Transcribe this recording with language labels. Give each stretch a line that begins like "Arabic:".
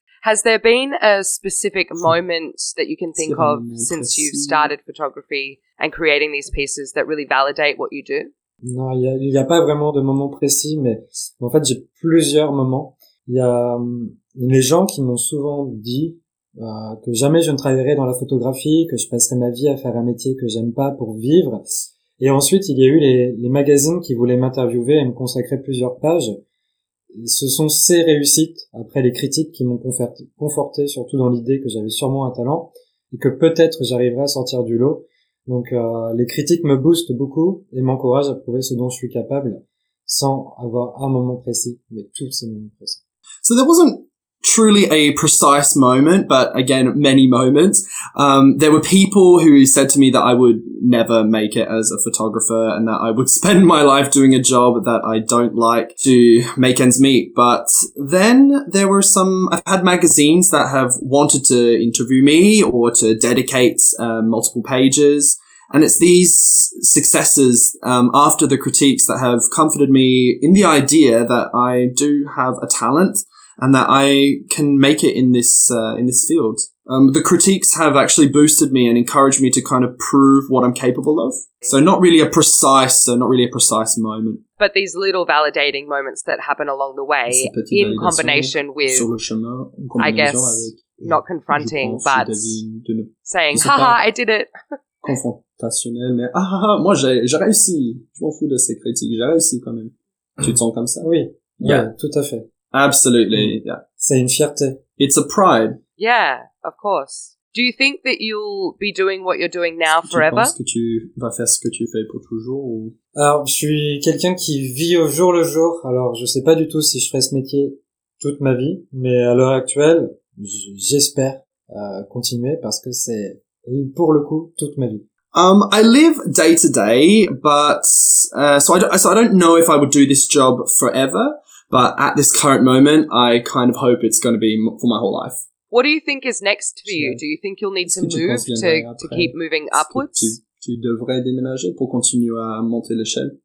English: Has there been a specific moment that you can think of since you've started photography and creating these pieces that really validate what you do?
French: Non, il y a pas vraiment de moment précis, mais en fait, j'ai plusieurs moments. Il y a les gens qui m'ont souvent dit que jamais je ne travaillerai dans la photographie, que je passerai ma vie à faire un métier que j'aime pas pour vivre. Et ensuite, il y a eu les magazines qui voulaient m'interviewer et me consacrer plusieurs pages. Ce sont ces réussites, après les critiques, qui m'ont conforté, surtout dans l'idée que j'avais sûrement un talent et que peut-être j'arriverais à sortir du lot. Donc, les critiques me boostent beaucoup et m'encouragent à prouver ce dont je suis capable sans avoir un moment précis, mais tous ces moments précis.
English: So there wasn't truly a precise moment, but again, many moments. There were people who said to me that I would never make it as a photographer and that I would spend my life doing a job that I don't like to make ends meet. But then there were some, I've had magazines that have wanted to interview me or to dedicate multiple pages. And it's these successes after the critiques that have comforted me in the idea that I do have a talent and that I can make it in this field. The critiques have actually boosted me and encouraged me to kind of prove what I'm capable of. So not really a precise, moment. But these little validating moments that happen along the way in combination with, I guess, not confronting, but saying, haha, I did it.
French: Confrontationnel, mais ah, ah, ah, moi j'ai réussi. Je m'en fous de ces critiques, j'ai réussi quand même. Tu te sens comme ça? Oui. Ouais. Yeah, tout à fait.
English: Absolutely. Yeah.
French: C'est une fierté.
English: It's a pride. Yeah, of course. Do you think that you'll be doing what you're doing now forever?
French: Tu penses que tu vas faire ce que tu fais pour toujours ou? Alors, je suis quelqu'un qui vit au jour le jour. Alors, je sais pas du tout si je ferai ce métier toute ma vie, mais à l'heure actuelle, j'espère continuer parce que c'est pour le coup toute ma vie.
English: I live day to day, but so I don't know if I would do this job forever. But at this current moment, I kind of hope it's going to be for my whole life. What do you think is next for you? Do you think you'll need to move to keep moving upwards?
French: Tu devrais déménager pour continuer à monter l'échelle.